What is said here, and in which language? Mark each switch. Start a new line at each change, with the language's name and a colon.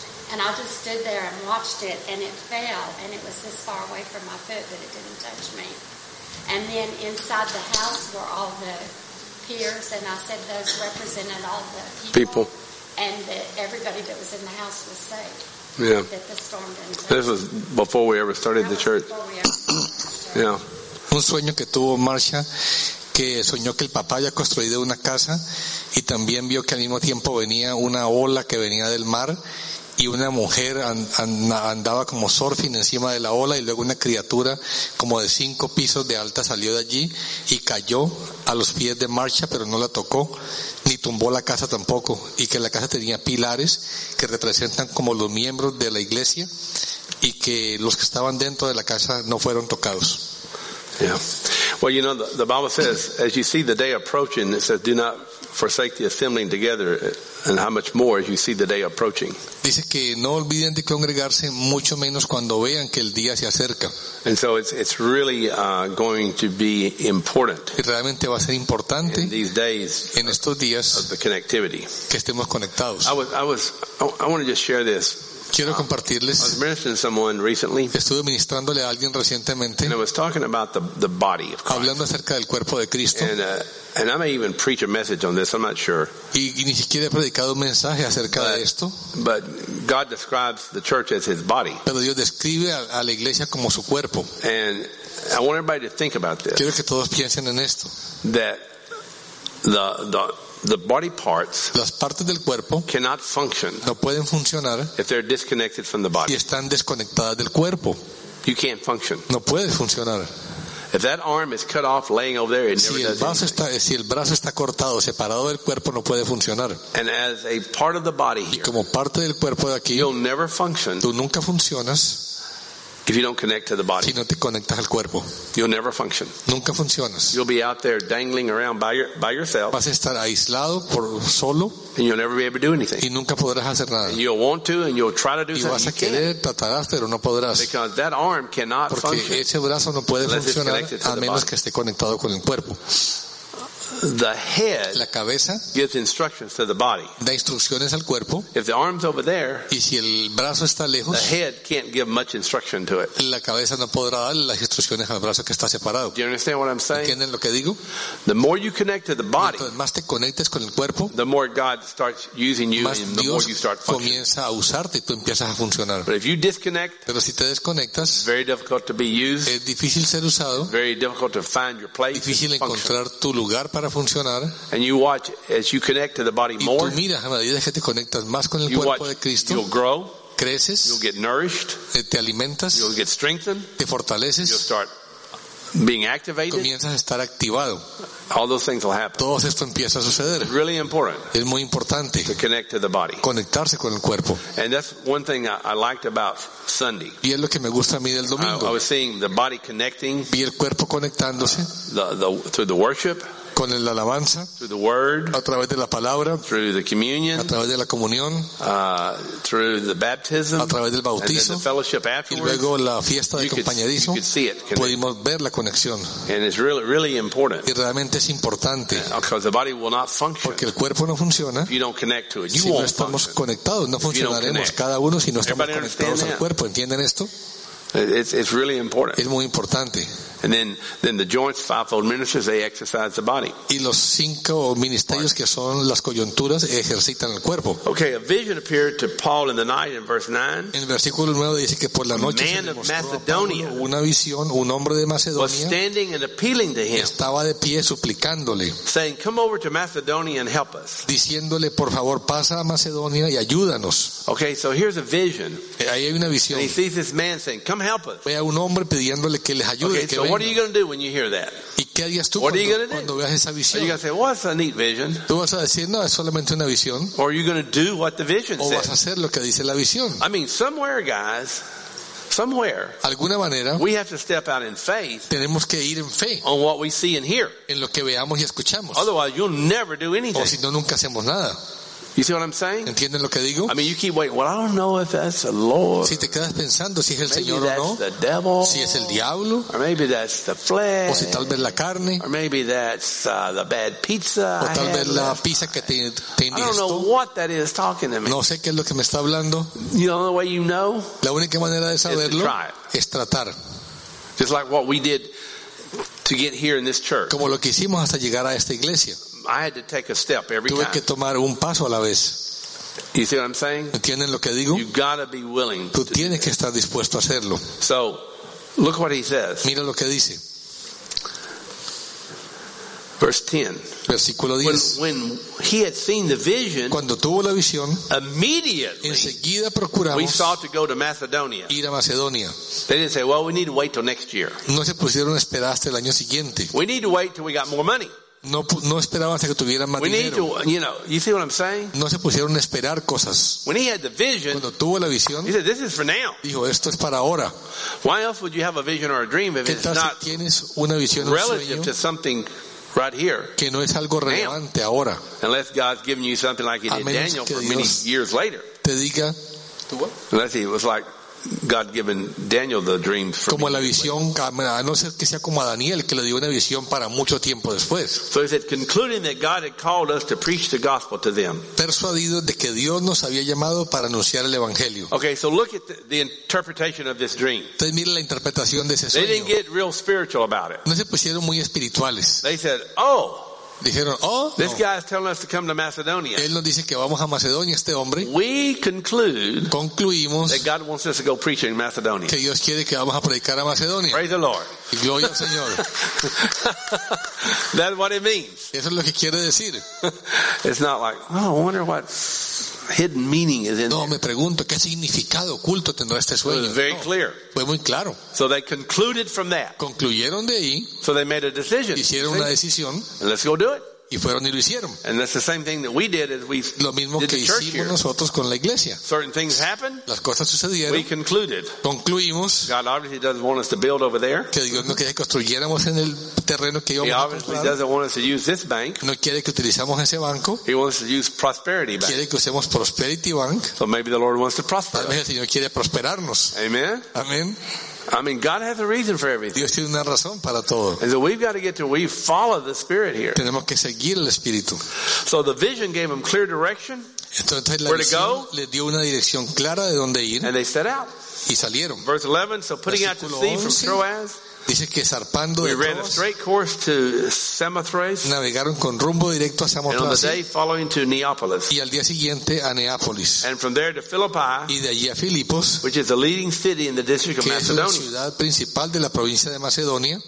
English: And I just stood there and watched it, and it fell, and it was this far away from my foot that it didn't touch me. And then inside the house were all the peers, and I said those represented all the people, and that everybody that was in the house was saved. Yeah. That the storm didn't touch. This was before we ever started the church. Yeah.
Spanish: Un sueño que tuvo Marcia, que soñó que el papá había construido una casa y también vio que al mismo tiempo venía una ola que venía del mar y una mujer andaba como surfing encima de la ola y luego una criatura como de 5 pisos de alta salió de allí y cayó a los pies de Marcia, pero no la tocó ni tumbó la casa tampoco, y que la casa tenía pilares que representan como los miembros de la iglesia y que los que estaban dentro de la casa no fueron tocados.
English: Yeah. Well, you know, the Bible says, as you see the day approaching, it says, do not forsake the assembling together, and how much more as you see the day approaching.
Spanish: Dice que no olviden de congregarse, mucho menos cuando vean que el día se acerca.
English: And so it's really going to be important.
Spanish: Y realmente va a ser importante
English: in these days,
Spanish: en estos días,
English: of the connectivity.
Spanish: Que estemos conectados.
English: I want to just share this.
Spanish: Quiero compartirles.
English: I was ministering to someone recently.
Spanish: Estuve ministrándole a alguien recientemente.
English: And I was talking about the body of Christ.
Spanish: Hablando acerca del cuerpo de Cristo.
English: And I may even preach a message on this. I'm not sure.
Spanish: Y ni siquiera he predicado un mensaje acerca de esto.
English: But God describes the church as His body.
Spanish: Pero Dios describe a la iglesia como su cuerpo.
English: And I want everybody to think about this.
Spanish: Quiero que todos piensen en esto.
English: That the body parts,
Spanish: las partes del cuerpo,
English: cannot function,
Spanish: no pueden funcionar,
English: if they're disconnected from the body,
Spanish: si están desconectadas del cuerpo,
English: you can't function,
Spanish: no puede funcionar.
English: If that arm is cut off, laying over there, it
Spanish: si
English: never
Spanish: el brazo
English: does anything.
Spanish: Está, si el brazo está cortado, separado del cuerpo, no puede funcionar.
English: And as a part of the body here,
Spanish: y como parte del cuerpo de aquí,
English: you'll never function,
Spanish: tú nunca funcionas,
English: if you don't connect to the body,
Spanish: si no te conectas al cuerpo,
English: you'll never function.
Spanish: Nunca funcionas.
English: You'll be out there dangling around by yourself.
Spanish: Vas a estar aislado por solo.
English: And you'll never be able to do anything.
Spanish: Y nunca podrás hacer nada.
English: And you'll want to, and you'll try to do
Spanish: y
English: something.
Spanish: Y vas a querer, tratarás, pero no podrás.
English: Because that arm cannot
Spanish: porque
English: function.
Spanish: Porque ese brazo no puede funcionar a menos que esté conectado con el cuerpo.
English: The head,
Spanish: la cabeza,
English: gives instructions to the body.
Spanish: Da instrucciones al cuerpo.
English: If the arm's over there,
Spanish: y si el brazo está lejos,
English: the head can't give much instruction to it.
Spanish: La cabeza no podrá dar las instrucciones al brazo que está separado.
English: Do you understand what I'm saying?
Spanish: ¿Entienden lo que digo?
English: The more you connect to the body,
Spanish: mientras más te conectes con el cuerpo,
English: the more God starts using you,
Spanish: más
English: and the
Spanish: Dios
English: more you start functioning.
Spanish: Comienza a usarte y tú empiezas a funcionar.
English: But if you disconnect,
Spanish: pero si te desconectas,
English: very difficult to be used,
Spanish: es difícil ser usado,
English: very difficult to find your place,
Spanish: difícil encontrar tu lugar para funcionar.
English: And you watch as you connect to the body more.
Spanish: Y tú miras a medida que te conectas más con el cuerpo de Cristo.
English: You'll grow.
Spanish: Creces.
English: You'll get nourished.
Spanish: Te alimentas.
English: You'll get strengthened.
Spanish: Te fortaleces.
English: You'll start being activated.
Spanish: Comienzas a estar activado.
English: All those things will happen.
Spanish: Todo esto empieza a suceder.
English: It's really important.
Spanish: Es muy importante.
English: To connect to the body.
Spanish: Conectarse con el cuerpo.
English: And that's one thing I liked about Sunday.
Spanish: Y es lo que me gusta a mí del domingo.
English: I was seeing the body connecting.
Spanish: Vi el cuerpo conectándose.
English: Through the worship.
Spanish: Con la alabanza,
English: through the word,
Spanish: a través de la palabra,
English: through the communion,
Spanish: a través de la comunión,
English: through the baptism,
Spanish: a través del bautizo,
English: and the fellowship afterwards,
Spanish: y luego la fiesta de compañerismo, pudimos ver la conexión.
English: And it's really, really important.
Spanish: Y realmente es importante.
English: Because the body will not function.
Spanish: Porque el cuerpo no funciona.
English: If you don't connect to it, you
Spanish: si
English: won't
Spanish: no estamos
English: function.
Spanish: Conectados, no funcionaremos cada uno si no estamos conectados al cuerpo. ¿Entienden esto?
English: It's really important.
Spanish: Es muy importante.
English: And then the joints, fivefold ministers, they exercise the body.
Spanish: Y los 5 ministerios que son las coyunturas ejercitan el cuerpo.
English: Okay, a vision appeared to Paul in the night in verse 9.
Spanish: En el versículo 9 dice que por la noche se le mostró a Pablo una visión, un hombre de Macedonia
English: was standing and appealing to him,
Spanish: estaba de pie suplicándole,
English: saying, "Come over to Macedonia and help us."
Spanish: Diciéndole, por favor, pasa a Macedonia y ayúdanos.
English: Okay, so here's a vision.
Spanish: Ahí hay una visión.
English: And he sees this man saying, "Come help us."
Spanish: Ve a un hombre pidiéndole que les ayude.
English: Okay, so what are you going to do when you hear that?
Spanish: ¿Y qué harías tú cuando veas esa visión?
English: Are you going to say, "Well, that's a neat vision"?
Spanish: ¿Tú vas a decir, no, es solamente una visión?
English: Or are you going to do what the vision says?
Spanish: ¿O vas a hacer lo que dice la visión?
English: I mean, somewhere, guys. Somewhere,
Spanish: alguna manera,
English: we have to step out in faith.
Spanish: Tenemos que ir en fe.
English: On what we see and hear.
Spanish: En lo que veamos y escuchamos.
English: Otherwise, you'll never do anything.
Spanish: O si no, nunca hacemos nada.
English: You see what I'm saying?
Spanish: ¿Entienden lo que digo?
English: I mean, you keep waiting. Well, I don't know if that's the Lord.
Spanish: Si te quedas pensando si es el Señor o no.
English: The devil.
Spanish: Si es el diablo.
English: Or maybe that's the flesh.
Spanish: O si tal vez la carne.
English: Or maybe that's the bad pizza.
Spanish: O tal vez la pizza que te indigestó.
English: I don't know what that is talking to me.
Spanish: No sé qué es lo que me está hablando.
English: You know, the way you know.
Spanish: La única manera de saberlo es tratar.
English: Just like what we did to get here in this church.
Spanish: Como lo que hicimos hasta llegar a esta iglesia.
English: I had to take a step every time.
Spanish: Tuve que tomar un paso a la vez.
English: You see what I'm saying?
Spanish: ¿Entienden lo que digo?
English: You gotta be willing.
Spanish: Tú tienes que estar dispuesto a hacerlo.
English: So, look what he says.
Spanish: Mira lo que dice.
English: Verse 10.
Spanish: Versículo 10.
English: When he had seen the vision,
Spanish: immediately, enseguida procuramos,
English: we sought to go to Macedonia.
Spanish: Ir a Macedonia.
English: They didn't say, "Well, we need to wait till next year."
Spanish: No se pusieron a esperar hasta el año siguiente.
English: We need to wait till we got more money.
Spanish: No esperaban hasta que tuvieran más dinero.
English: You see what I'm saying?
Spanish: No se pusieron a esperar cosas.
English: When he had the vision,
Spanish: cuando tuvo la visión,
English: he said, "This is for now."
Spanish: Dijo, esto es para ahora.
English: Why else would you have a vision or a dream if it's not
Spanish: tienes una visión,
English: relative
Spanish: un sueño,
English: to something right here?
Spanish: Que no es algo relevante ahora.
English: Unless God's giving you something like he did Daniel for
Spanish: Dios
English: many years later.
Spanish: Te diga,
English: unless it was like God giving Daniel the dream for
Spanish: como la visión, a no ser que sea como a Daniel que le dio una visión para mucho tiempo después.
English: So he said, concluding that God had called us to preach the gospel to them.
Spanish: Persuadido de que Dios nos había llamado para anunciar el evangelio.
English: Okay, so look at the interpretation of this dream.
Spanish: Entonces mira la interpretación de ese sueño.
English: They didn't get real spiritual about it.
Spanish: No se pusieron muy espirituales.
English: They said, "Oh."
Spanish: Dijeron, "Oh,
English: this guy is telling us to come to Macedonia."
Spanish: Él nos dice que vamos a Macedonia, este hombre.
English: We conclude
Spanish: concluimos
English: that God wants us to go preach in Macedonia.
Spanish: Que Dios quiere que vamos a predicar a Macedonia.
English: Praise the Lord.
Spanish: Y gloria al Señor.
English: That's what it means.
Spanish: Eso es lo que quiere decir.
English: It's not like, "Oh, I wonder what hidden meaning is in
Spanish: no,
English: there."
Spanish: Me pregunto qué significado oculto tendrá este sueño.
English: It was very
Spanish: no,
English: clear.
Spanish: Fue muy claro.
English: So they concluded from that.
Spanish: Concluyeron de ahí.
English: So they made a decision.
Spanish: Hicieron una decisión.
English: And let's go do it.
Spanish: Y fueron y lo hicieron.
English: And that's the same thing that we did as we
Spanish: lo mismo
English: did
Spanish: que
English: the church
Spanish: hicimos
English: here.
Spanish: Nosotros con la iglesia.
English: Certain things happened.
Spanish: Las cosas sucedieron.
English: We concluded.
Spanish: Concluimos.
English: God obviously doesn't want us to build over there.
Spanish: Que Dios no quiere que construyéramos en el terreno que íbamos a comprar.
English: He obviously doesn't want us to use this bank.
Spanish: No quiere que utilizamos ese banco.
English: He wants to use Prosperity Bank.
Spanish: Quiere que usemos Prosperity Bank.
English: So maybe the Lord wants to prosper.
Spanish: Tal vez el Señor quiere prosperarnos.
English: Amen.
Spanish: Amén.
English: I mean, God has a reason for everything.
Spanish: Dios tiene una razón para todo.
English: And so we've got to get to where we follow the Spirit here.
Spanish: Tenemos que seguir el Espíritu.
English: So the vision gave them clear direction.
Spanish: Entonces, la visión les dio una dirección clara de dónde ir.
English: And they set out.
Spanish: Y salieron.
English: Verse 11, so putting out to sea from Troas.
Spanish: Dice que zarpando de
English: Troas, we ran a straight course to Samothrace.
Spanish: Navegaron con rumbo directo a Samothrace.
English: And on the day following to Neapolis.
Spanish: Y al día siguiente a Neápolis.
English: And from there to Philippi.
Spanish: Y de allí a Filipos.
English: Which is the leading city in the district of Macedonia.
Spanish: Que es la ciudad principal de la provincia de Macedonia.